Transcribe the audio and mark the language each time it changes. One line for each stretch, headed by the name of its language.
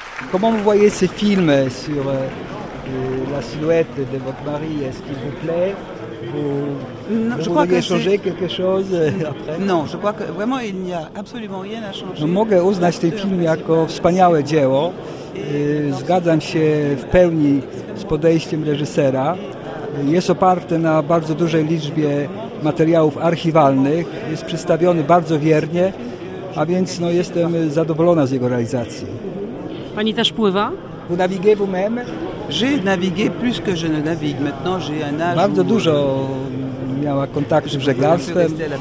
French: Comment vous voyez ce film sur la silhouette de votre mari? Est-ce qu'il vous plaît? Vous voulez changer quelque chose après? Non, je crois que vraiment il n'y a absolument rien à changer.
Polish: No, mogę uznać ten film jako wspaniałe dzieło. Zgadzam się w pełni z podejściem reżysera. Jest oparte na bardzo dużej liczbie materiałów archiwalnych. Jest przedstawiony bardzo wiernie, a więc jestem zadowolona z jego realizacji. Pani też pływa?
French: Vous naviguez vous-même? J'ai navigué plus que je ne navigue. Maintenant j'ai un âge.
Polish: Bardzo dużo miała kontaktu z żeglarstwem.